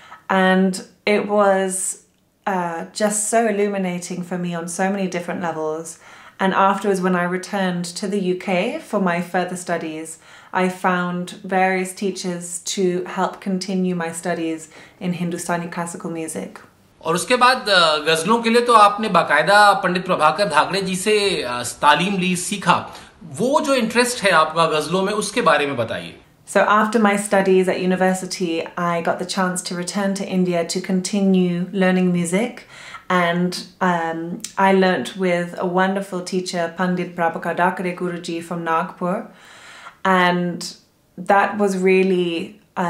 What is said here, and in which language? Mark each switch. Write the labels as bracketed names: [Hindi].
[English] And it was just so illuminating for me on so many different levels. And afterwards, when I returned to the UK for my further studies, I found various teachers to help continue my studies in Hindustani classical music. [Hindi] और उसके बाद गजलों के लिए तो आपने बाकायदा पंडित प्रभाकर धाकड़े जी से तालीम ली, सीखा, वो जो इंटरेस्ट है आपका गजलों में उसके बारे में बताइए। [English] So after my studies at university, I got the chance to return to India to continue learning music. And I learnt with a wonderful teacher, Pandit Prabhakar Dakare Guruji from Nagpur. And that was really